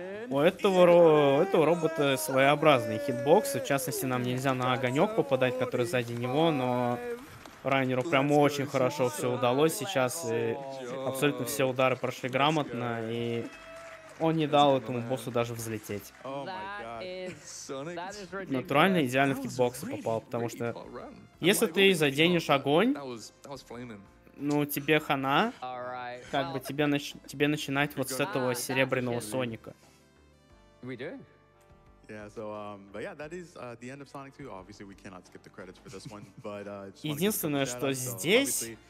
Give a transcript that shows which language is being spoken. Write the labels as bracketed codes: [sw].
[ru] У этого робота своеобразный хитбокс, в частности, нам нельзя на огонек попадать, который сзади него, но Райнеру прям очень хорошо все удалось сейчас, и абсолютно все удары прошли грамотно, и он не дал этому боссу даже взлететь. Натурально идеально в хитбоксы попал, потому что если ты заденешь огонь, ну, тебе хана, как бы тебе начинать вот с этого серебряного Соника. [en] We do. Yeah, so but yeah, that is the end of Sonic 2. Obviously, we cannot skip the credits for this one, but [ru] единственное, что здесь